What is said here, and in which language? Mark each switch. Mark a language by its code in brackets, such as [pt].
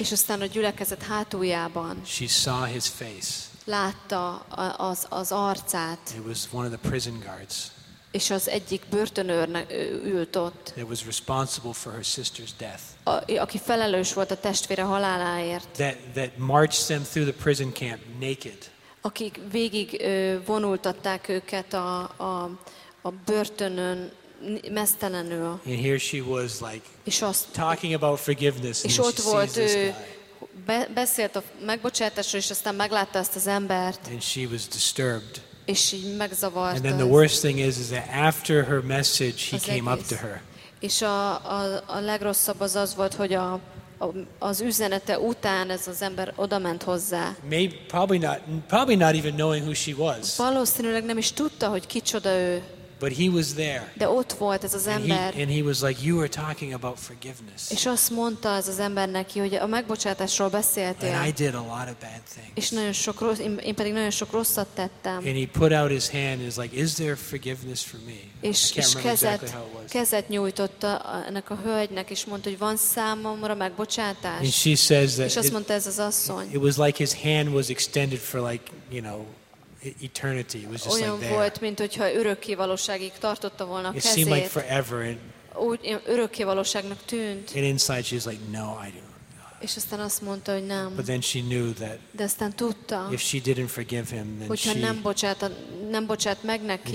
[hu] És aztán a gyülekezet hátuljában. [en] She saw his face. [hu] Látta az arcát. [en] It was one of the prison guards. [hu] És az egyik börtönőrnek ült ott. [en] It was responsible for her sister's death. [hu] Aki felelős volt a testvére haláláért. [en] That marched them through the prison camp naked. [hu] Akik végig vonultatták őket a börtönön mesztelenül. [en] And here she was like talking about forgiveness. [hu] És ott volt ő. Beszélt a megbocsátásról, és aztán meglátta ezt az embert. [en] And she was disturbed. [hu] És így megzavarta. [en] And then the worst thing is that after her message, he came up to her. [hu] És a legrosszabb az az volt, hogy az üzenete után ez az ember odament hozzá. [en] Maybe, probably not even knowing who she was. [hu] Valószínűleg nem is tudta, hogy kicsoda ő. [en] But he was there. [hu] De ott volt ez az ember. [en] And he was like, you were talking about forgiveness. [hu] És azt mondta ez az ember neki, hogy a megbocsátásról beszéltél. [en] And I did a lot of bad things. [hu] És nagyon sok én pedig nagyon sok rosszat tettem. [en] And he put out his hand and is like, is there forgiveness for me? [hu] És kezet nyújtotta ennek a hölgynek, és mondta, hogy van számomra megbocsátás. [en] And she says that. [hu] És azt mondta ez az asszony. [en] It was like his hand was extended for like, you know, eternity. It was just [hu] olyan [en] like [hu] volt, mint hogyha örökké valóságig tartotta volna [en] it [hu] kezét. [en] It seemed like forever. And [hu] úgy örökké valóságnak tűnt. [en] And inside she's like, no, I do. [hu] És aztán azt mondta, hogy nem. [en] But then she knew that. [hu] De aztán tudta. [en] If she didn't forgive him, then [hu] hogyha [en] she [hu] nem bocsát meg neki.